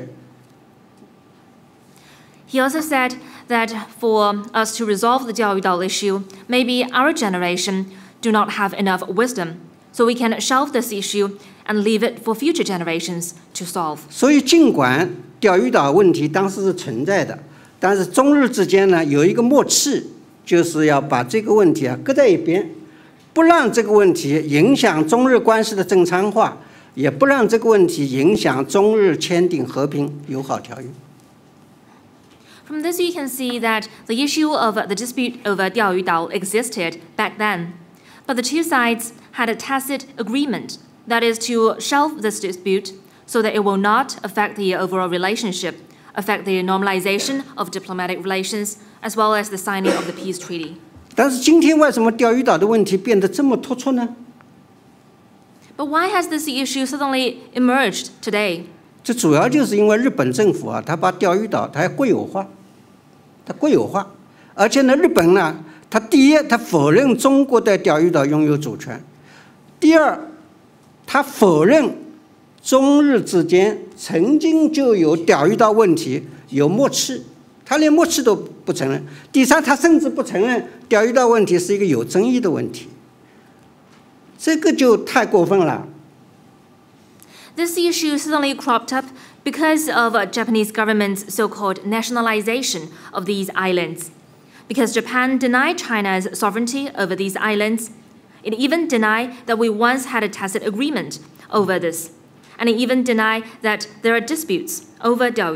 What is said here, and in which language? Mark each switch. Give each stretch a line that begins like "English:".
Chinese: 钓鱼岛，但是像钓鱼岛这样的问题，也许我们这一代的智慧不够，这个问题啊可以放一放，留给今后的子孙后代来解决。
English: He also said that for us to resolve the 钓鱼岛 issue, maybe our generation do not have enough wisdom, so we can shelve this issue and leave it for future generations to solve.
Chinese: 所以尽管 钓鱼岛问题当时是存在的，但是中日之间呢有一个默契，就是要把这个问题啊搁在一边，不让这个问题影响中日关系的正常化，也不让这个问题影响中日签订和平友好条约。
English: From this, you can see that the issue of the dispute over 钓鱼岛 existed back then, but the two sides had a tacit agreement, that is to shelve this dispute. So that it will not affect the overall relationship, affect the normalization of diplomatic relations, as well as the signing of the peace treaty.
Chinese: 但是今天为什么钓鱼岛的问题变得这么突出呢？
English: But why has this issue suddenly emerged today?
Chinese: 这主要就是因为日本政府啊，他把钓鱼岛他要国有化，他国有化，而且呢，日本呢，他第一，他否认中国的钓鱼岛拥有主权；第二，他否认。中日之间曾经就有钓鱼岛问题，有默契，他连默契都不承认。第三，他甚至不承认钓鱼岛问题是一个有争议的问题，这个就太过分了。
English: This issue suddenly cropped up because of Japanese government's so-called nationalization of these islands. Because Japan denied China's sovereignty over these islands, it even denied that we once had a tacit agreement over this. And even deny that there are disputes over